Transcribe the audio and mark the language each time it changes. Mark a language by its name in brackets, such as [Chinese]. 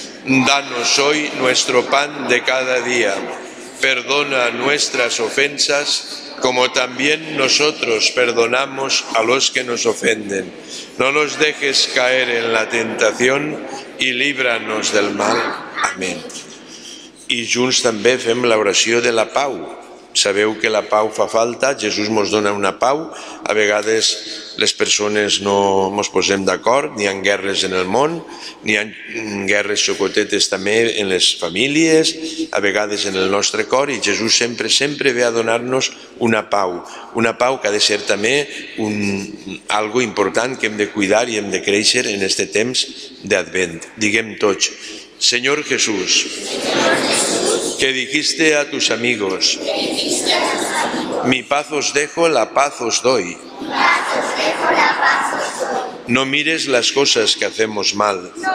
[Spanish] Danos hoy nuestro pan de cada día. Perdona nuestras ofensas como también nosotros perdonamos a los que nos ofenden. No nos dejes caer en la tentación y líbranos del mal. Amén. [Catalan] I junts també fem l'oració de la pau. Sabeu que la pau fa falta, Jesús mos dona una pau. A vegades les persones no mos posem d'acord, ni en guerres en el món, ni en guerres xocotetes també en les famílies, a vegades en el nostre cor, i Jesús sempre, sempre ve a donar-nos una pau. Una pau que ha de ser també un algo important que hem de cuidar i hem de créixer en este temps d'Advent. Diguem tots: [Spanish] Señor Jesús, que dijiste a tus amigos: mi paz os dejo, la paz os doy. No mires las cosas que hacemos mal.